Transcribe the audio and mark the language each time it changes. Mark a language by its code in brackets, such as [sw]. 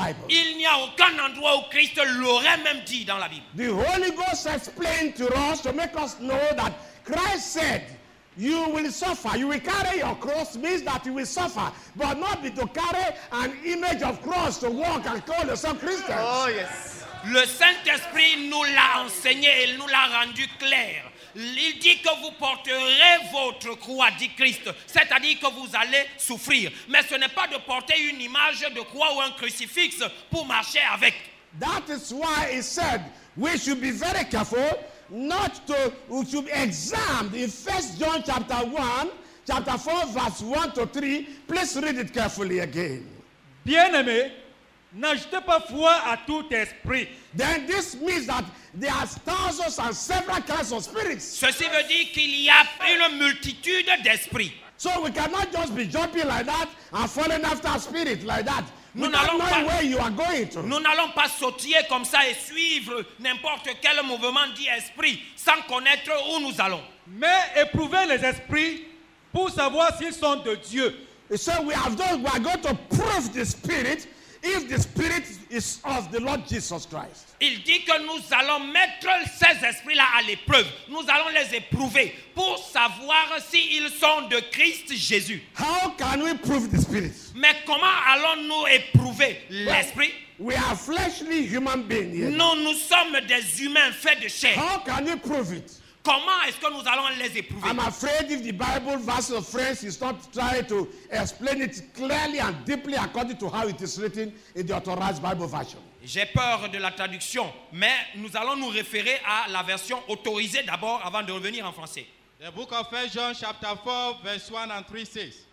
[fr] Il n'y a aucun endroit où Christ l'aurait même dit dans la Bible. [en] The Holy Ghost explained to us to make us know that Christ said, you will suffer. You will carry your cross means that you will suffer, but not be to carry an image of cross to walk and call yourself Christian. Oh yes. [fr] Le Saint-Esprit nous l'a enseigné et nous l'a rendu clair. Il dit que vous porterez votre croix, dit Christ, c'est-à-dire que vous allez souffrir. Mais ce n'est pas de porter une image de croix ou un crucifix pour marcher avec. [en] That is why he said we should be very careful not to, we should examine in 1 John chapter 1, chapter 4, verse 1 to 3. Please read it carefully again. [fr] Bien-aimé, n'ajoutez pas foi à tout esprit. [en] Then this means that there are thousands and several kinds of spirits. [fr] Ceci veut dire qu'il y a une multitude d'esprits. [en] So we cannot just be jumping like that and falling after a spirit like that. [fr] Nous n'allons pas sautiller comme ça et suivre n'importe quel mouvement dit esprit sans connaître où nous allons. Mais éprouvez les esprits pour savoir s'ils sont de Dieu. [en] So we are going to prove the spirit. If the spirit is of the Lord Jesus Christ. [fr] Il dit que nous allons mettre ces esprits-là à l'épreuve. Nous allons les éprouver pour savoir s'ils sont de Christ Jésus. [en] How can we prove the spirit? [fr] Mais comment allons-nous éprouver l'esprit? [en] We are fleshly human beings. [fr] Non, nous sommes des humains faits de chair. [en] How can we prove it? [fr] Comment est-ce que nous allons les éprouver? [en] I'm afraid if the Bible verse of friends is not trying to explain it clearly and deeply according to how it is written in the authorized Bible version. [fr] J'ai peur de la traduction, mais nous allons nous référer à la version autorisée d'abord avant de revenir en français. [en] The book of 1 John chapter 4 verse 1 and 3 says.